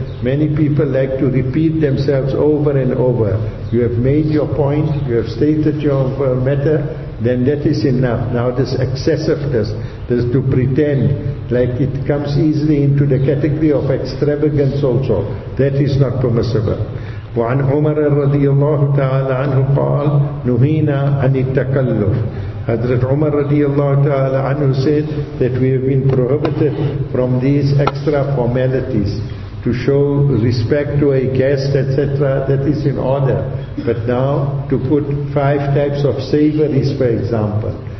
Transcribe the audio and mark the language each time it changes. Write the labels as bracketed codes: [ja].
[en] Many people like to repeat themselves over and over. You have made your point, you have stated your matter, then that is enough. Now this excessiveness, this to pretend, like it comes easily into the category of extravagance also, that is not permissible. [ar] وعن عمر رضي الله تعالى عنه قال نهينا عن التكلف. [en] Hazrat Umar radiallahu ta'ala anhu said that we have been prohibited from these extra formalities to show respect to a guest, etc. That is in order. But now to put five types of savouries, for example.